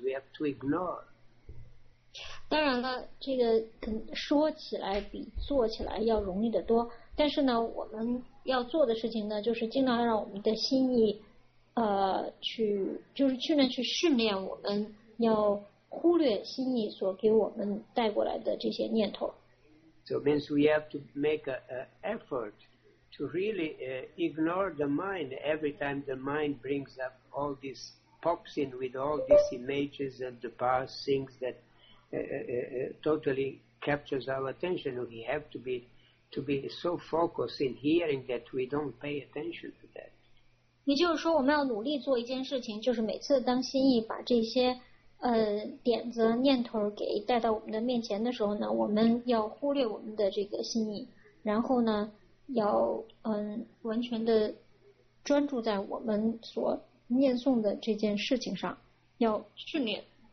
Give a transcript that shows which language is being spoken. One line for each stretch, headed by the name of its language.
English: We have to ignore.
Chinese: 当然了，这个说起来比做起来要容易得多。但是呢，我们要做的事情呢，就是尽量让我们的心意，去训练我们要忽略心意所给我们带过来的这些念头。
English: So it means we have to make an effort to really ignore the mind every time the mind brings up all this, pops in with all these images and the past things that totally captures our attention. We have to be so focused in hearing that we don't pay attention to that.
Chinese: 也就是说我们要努力做一件事情，就是每次当心意把这些点子念头给带到我们的面前的时候呢，我们要忽略我们的这个心意，然后呢要完全的专注在我们所念诵的这件事情上，要训练。